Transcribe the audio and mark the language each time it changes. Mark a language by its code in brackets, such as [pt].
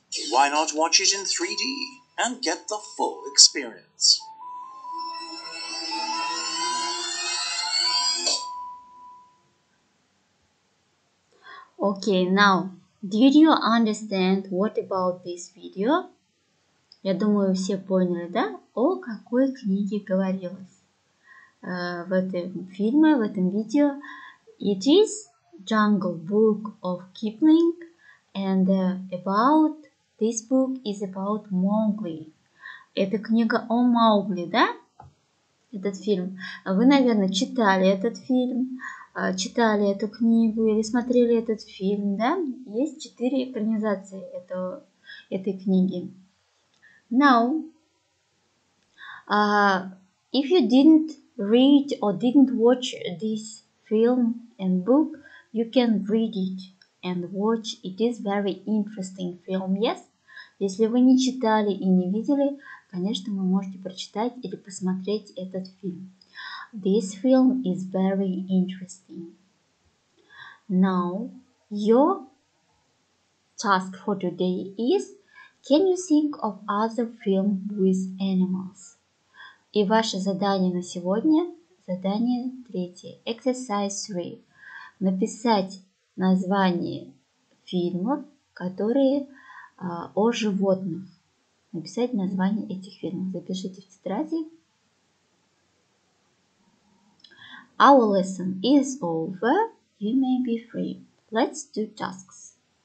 [en] Why not watch it in 3D? And get the full experience. Okay, now, did you understand what about this video? [ru] Я думаю, все поняли, да? О какой книге говорилось в этом фильме, в этом видео. [en] It is Jungle Book of Kipling and about... This book is about Mowgli. [ru] Это книга о Маугли, да? Этот фильм. Вы, наверное, читали этот фильм, читали эту книгу или смотрели этот фильм, да? Есть четыре экранизации этой книги. [en] Now, if you didn't read or didn't watch this film and book, you can read it and watch. It is very interesting film, yes? [ru] Если вы не читали и не видели, конечно, вы можете прочитать или посмотреть этот фильм. [en] This film is very interesting. Now, your task for today is, can you think of other film with animals? [ru] И ваше задание на сегодня, задание третье, [en] exercise 3. [ru] Написать название фильмов, которые... о животных. Написать название этих фильмов. Запишите в тетради. [en] Our lesson is over. You may be free. Let's do tasks.